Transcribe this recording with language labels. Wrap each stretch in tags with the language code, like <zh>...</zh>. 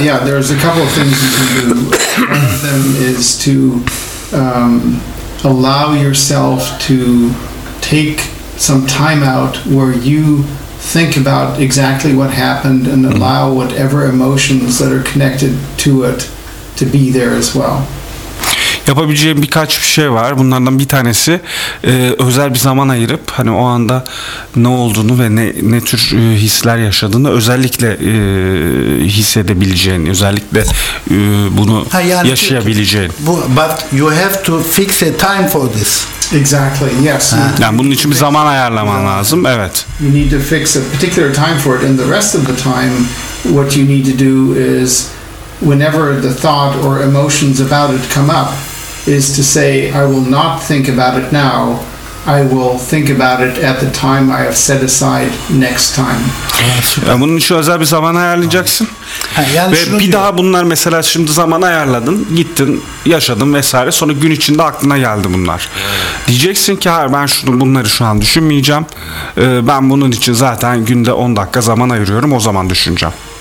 <en>Yeah, there's a couple of things you can do. One of them is to allow yourself to take some time out where you think about exactly what happened and allow whatever emotions that are connected to it to be there as well.</en> <tr>Yapabileceğim birkaç bir şey var. Bunlardan bir tanesi özel bir zaman ayırıp hani o anda ne olduğunu ve ne tür hisler yaşadığını özellikle hissedebileceğin, özellikle bunu yani yaşayabileceğin.</tr> <en>But you have to fix a time for this. Exactly. Yes.</en> <tr>Ha. Yani bunun için bir zaman ayarlaman lazım. Evet.</tr> <en>You need to fix a particular time for it, and the rest of the time, what you need to do is whenever the thought or emotions about it come up, is to say, I will not think about it now, I will think about it at the time I have set aside next time.</en> <tr>Ya bunun şu özel bir zaman ayarlayacaksın. Yani ve bir daha bunlar mesela şimdi zaman ayarladın, gittin, yaşadın vesaire. Sonra gün içinde aklına geldi bunlar. Diyeceksin ki hayır ben şunu bunları şu an düşünmeyeceğim. Ben bunun için zaten günde 10 dakika zaman ayırıyorum. O zaman düşüneceğim.</tr>